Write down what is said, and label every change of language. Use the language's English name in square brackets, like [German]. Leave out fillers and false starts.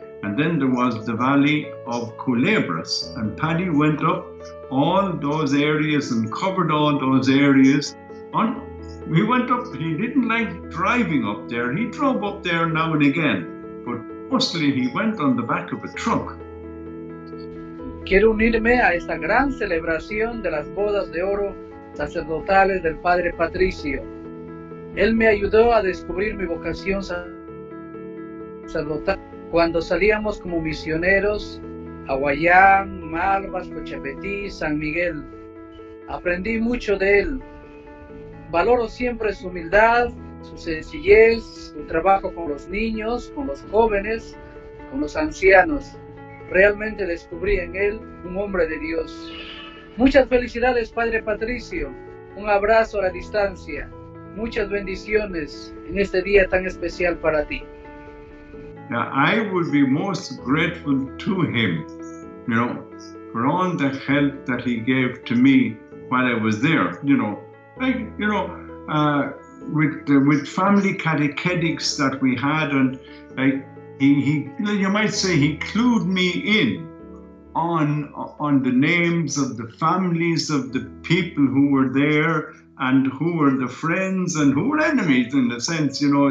[English] And then there was the Valley of Culebras. And Paddy went up all those areas and covered all those areas. He went up, he didn't like driving up there. He drove up there now and again, but mostly he went on the back of a truck. [Spanish] Quiero unirme a esta gran celebración de las bodas de oro sacerdotales del Padre Patricio. Él me ayudó a descubrir mi vocación sacerdotal cuando salíamos como misioneros a Guayán, Malvas, Cochepetí, San Miguel. Aprendí mucho de él. Valoro siempre su humildad, su sencillez, su trabajo con los niños, con los jóvenes, con los ancianos. Realmente descubrí en él un hombre de Dios. Muchas felicidades, Padre Patricio. Un abrazo a la distancia. Muchas bendiciones en este día tan especial para ti. [English] Now, I would be most grateful to him, you know, for all the help that he gave to me while I was there, you know. Like, you know, with family catechetics that we had, and like, he you might say he clued me in on the names of the families of the people who were there and who were the friends and who were enemies, in a sense, you know.